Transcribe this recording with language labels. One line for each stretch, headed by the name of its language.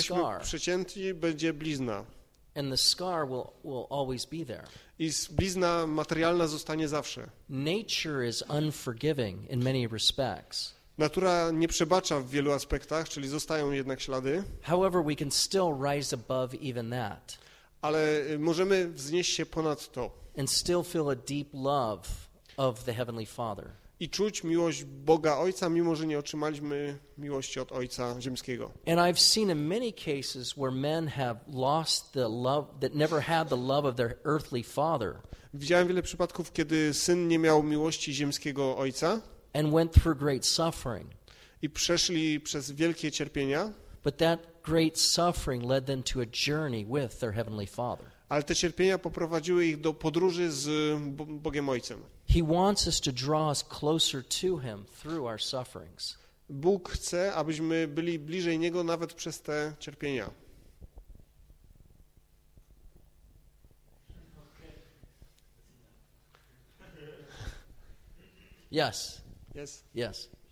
Polish: Jeśli jesteśmy przecięci, będzie blizna.
English: And the scar will always be there.
Polish: I blizna materialna zostanie zawsze.
English: Nature is unforgiving in many respects.
Polish: Natura nie przebacza w wielu aspektach, czyli zostają jednak ślady.
English: However, we can still rise above even that.
Polish: Ale możemy wznieść się ponad to.
English: And still feel a deep love of the Heavenly Father.
Polish: I czuć miłość Boga Ojca, mimo że nie otrzymaliśmy miłości od Ojca ziemskiego.
English: And I've seen in many cases where men have lost the love that never had the love of their earthly father.
Polish: Widziałem wiele przypadków, kiedy syn nie miał miłości ziemskiego ojca.
English: And went through great suffering.
Polish: I przeszli przez wielkie cierpienia.
English: But that great suffering led them to a journey with their Heavenly Father.
Polish: Ale te cierpienia poprowadziły ich do podróży z Bogiem Ojcem.
English: He wants us to draw us closer to him through our sufferings.
Polish: Bóg chce, abyśmy byli bliżej Niego nawet przez te cierpienia.
English: Yes. Yes. Yes.